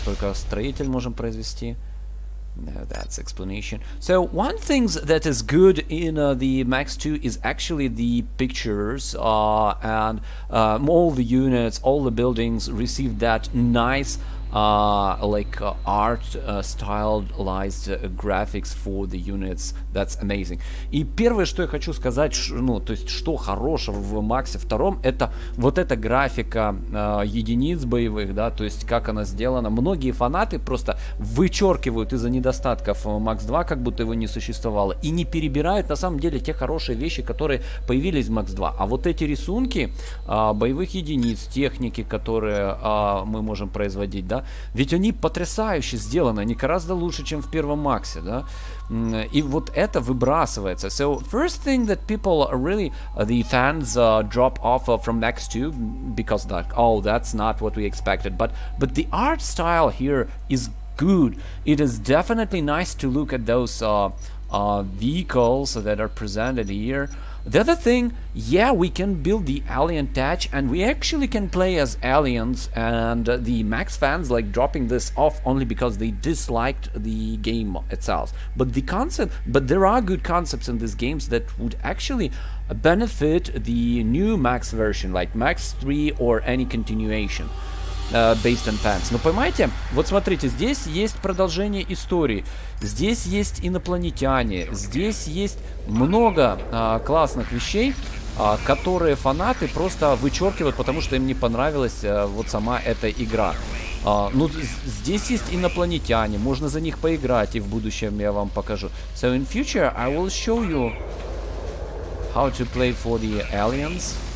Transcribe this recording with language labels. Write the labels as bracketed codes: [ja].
[ru] Только строитель можем произвести. [en] No, that's explanation. So, one thing that is good in the Max 2 is actually the pictures. All the units, all the buildings received that nice art stylized graphics for the units. That's amazing. [ru] И первое, что я хочу сказать, что хорошего в Максе втором, это вот эта графика единиц боевых, да, то есть как она сделана. Многие фанаты просто вычеркивают из-за недостатков Max 2, как будто его не существовало, и не перебирают на самом деле те хорошие вещи, которые появились в Max 2. А вот эти рисунки боевых единиц, техники, которые мы можем производить, да, ведь они потрясающе сделаны, они гораздо лучше, чем в первом Максе, да? И вот это выбрасывается. [en] So, first thing that people really, the fans drop off from Max 2, because that, oh, that's not what we expected. But the art style here is good. It is definitely nice to look at those vehicles that are presented here. The other thing, yeah, we can build the alien touch, and we actually can play as aliens, and the Max fans like dropping this off only because they disliked the game itself. But there are good concepts in these games that would actually benefit the new Max version, like Max 3 or any continuation. Based on fans. [ru] Ну, понимаете, вот смотрите, здесь есть продолжение истории, здесь есть инопланетяне, здесь есть много классных вещей, которые фанаты просто вычеркивают, потому что им не понравилась вот сама эта игра. Ну, здесь есть инопланетяне, можно за них поиграть, и в будущем я вам покажу. [en] So, in future, I will show you how to play for the aliens.